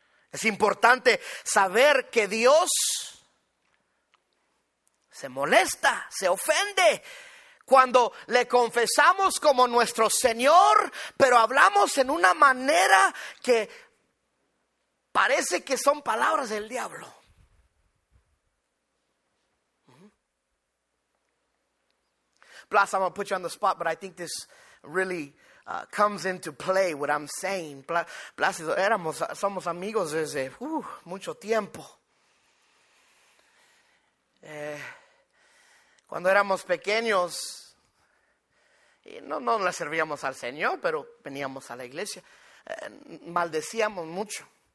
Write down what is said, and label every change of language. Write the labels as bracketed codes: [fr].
[es] Es importante saber que Dios se molesta, se ofende cuando le confesamos como nuestro Señor, pero hablamos en una manera que parece que son palabras del diablo. [en] Plus, I'm going to put you on the spot, but I think this really comes into play what I'm saying. [es] Plácido, somos amigos desde mucho tiempo. Cuando éramos pequeños, y no le servíamos al Señor, pero veníamos a la iglesia, maldecíamos mucho.